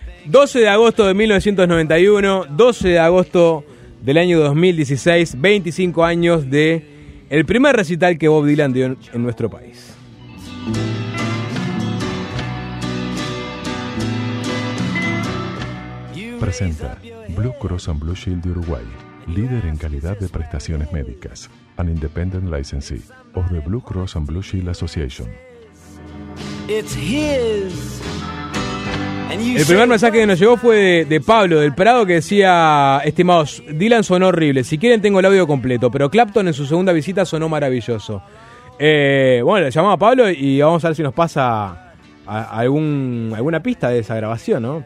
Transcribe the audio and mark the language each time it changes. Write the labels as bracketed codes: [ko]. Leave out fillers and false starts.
[es] 12 de agosto de 1991, 12 de agosto del año 2016, 25 años de el primer recital que Bob Dylan dio en nuestro país. Presenta Blue Cross and Blue Shield de Uruguay, líder en calidad de prestaciones médicas. [en] An independent licensee of the Blue Cross and Blue Shield Association. It's his. [es] El primer mensaje que nos llegó fue de Pablo del Prado, que decía: estimados, Dylan sonó horrible. Si quieren tengo el audio completo, pero Clapton en su segunda visita sonó maravilloso. Bueno, le llamamos a Pablo y vamos a ver si nos pasa alguna pista de esa grabación, ¿no?